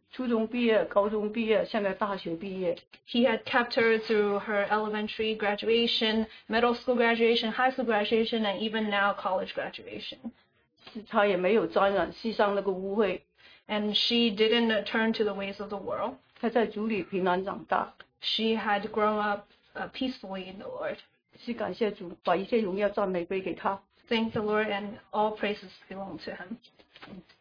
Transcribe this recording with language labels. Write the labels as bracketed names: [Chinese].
[Chinese] 初中毕业，高中毕业，现在大学毕业。 [English] He had kept her through her elementary graduation, middle school graduation, high school graduation, and even now college graduation. [Chinese] 她也没有沾染世上那个污秽。 [English] And she didn't turn to the ways of the world. [Chinese] 她在主里平安长大。 [English] She had grown up peacefully in the Lord. [Chinese] 是感谢主，把一切荣耀赞美归给她。 [English] Thank the Lord, and all praises belong to Him.